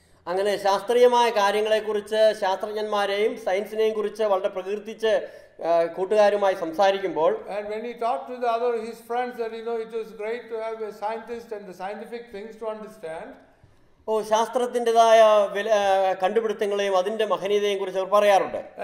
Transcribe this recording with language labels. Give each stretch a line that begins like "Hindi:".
Malayalam: അങ്ങനെ ശാസ്ത്രീയമായ കാര്യങ്ങളെ കുറിച്ച് ശാസ്ത്രജ്ഞന്മാരെയും സയൻസിനെയും കുറിച്ച് വളരെ പ്രകീർത്തിച്ച് കൂട്ടുകാരുമായി സംസാരിക്കുമ്പോൾ,
English: and when he talked to the other his friends that, you know, it was great to have a scientist and the scientific things to understand.
Malayalam: ഓ, ശാസ്ത്രത്തിൻ്റെതായ കണ്ടുപിടുത്തങ്ങളെയും അതിൻ്റെ മഹനീയതയെയും കുറിച്ച് അവർ പറയാറുണ്ട്.